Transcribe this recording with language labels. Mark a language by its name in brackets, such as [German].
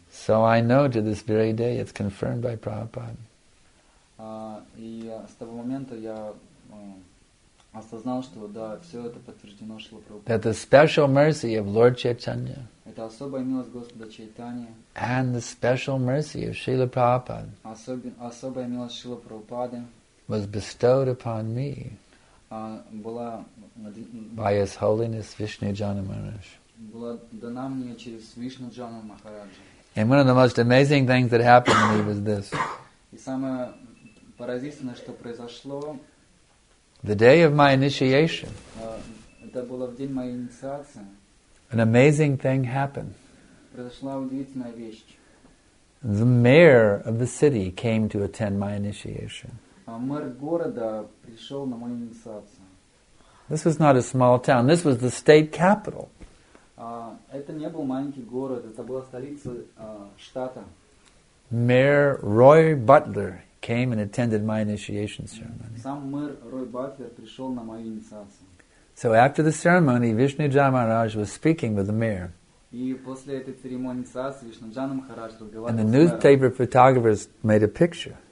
[English] So I know to this very day it's confirmed by Prabhupada. [Russian] И с того момента я осознал, что да, все это подтверждено Шрила Прабхупадой. [English] That the special mercy of Lord Chaitanya. [Russian] Это особая милость Господа Чайтани. [English] And the special mercy of Шрила Прабхупада. [Russian] Особая милость Шрила Прабхупады. [English] Was bestowed upon me. [Russian] Была [English] by His Holiness Vishnu Jana Maharaj. [Russian] Была дана мне через Вишну Джану Махараджа. [English] And one of the most amazing things that happened to me was this. [Russian] И самое поразительное, что произошло. [English] The day of my initiation. [Russian] Это было в день моей инициации. [English] An amazing thing happened. [Russian] Произошла удивительная вещь. [English] The mayor of the city came to attend my initiation. [Russian] Мэр города пришел на мою инициацию. [English] This was not a small town. This was the state capital. [Russian] Это не был маленький город, это была столица штата. [English] Mayor Roy Butler came and attended my initiation ceremony. [Russian] Сам мэр Рой Батлер пришел на мою инициацию. [English] So after the ceremony, Вишнуджан Махарадж was speaking with the mayor. [Russian] И после этой церемонии инициации Вишнуджан Махарадж разговаривал с мэром. [English] And the newspaper photographers made a picture.